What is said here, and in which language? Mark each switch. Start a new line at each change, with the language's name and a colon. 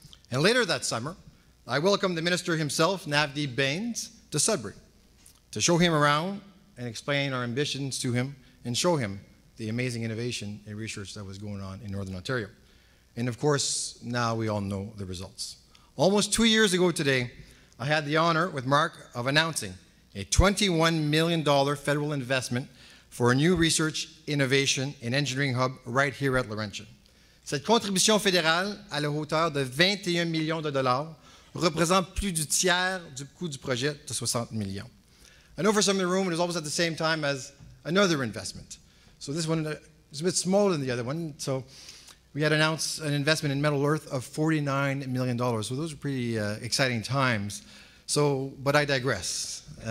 English: And later that summer, I welcomed the minister himself, Navdeep Bains, to Sudbury to show him around and explain our ambitions to him and show him the amazing innovation and research that was going on in Northern Ontario. And of course, now we all know the results. Almost 2 years ago today, I had the honor with Mark of announcing a $21 million federal investment for a new research, innovation, and engineering hub right here at Laurentian.
French: Cette contribution fédérale à la hauteur de 21 millions de dollars représente plus du tiers du coût du projet de 60 millions.
English: I know for some in the room, it was almost at the same time as another investment. So this one is a bit smaller than the other one. So we had announced an investment in Metal Earth of $49 million. So those are pretty exciting times. But I digress.